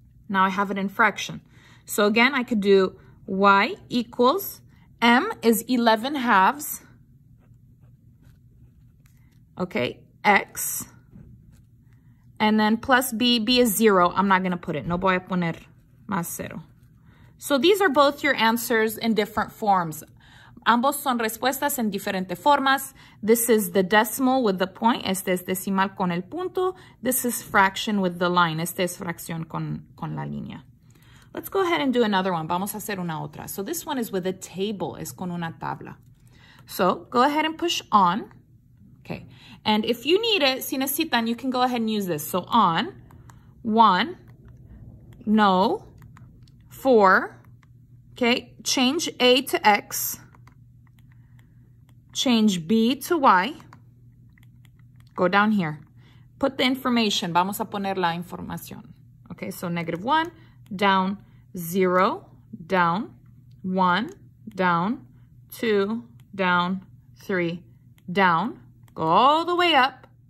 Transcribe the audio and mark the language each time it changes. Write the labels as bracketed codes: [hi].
[en] Now I have it in fraction. So again, I could do y equals, m is 11 halves, okay, x, and then plus b, b is 0. I'm not going to put it. [es] No voy a poner más 0. [en] So these are both your answers in different forms. [es] Ambos son respuestas en diferentes formas. [en] This is the decimal with the point. [es] Este es decimal con el punto. [en] This is fraction with the line. [es] Este es fracción con la línea. [en] Let's go ahead and do another one. [es] Vamos a hacer una otra. [en] So this one is with a table. [es] Es con una tabla. [en] So go ahead and push on. Okay. And if you need it, [es] si necesitan, [en] you can go ahead and use this. So on, 1, no, 4, okay, change A to X, change B to Y, go down here, put the information, [es] vamos a poner la información, [en] okay, so negative 1, down, 0, down, 1, down, 2, down, 3, down, go all the way up,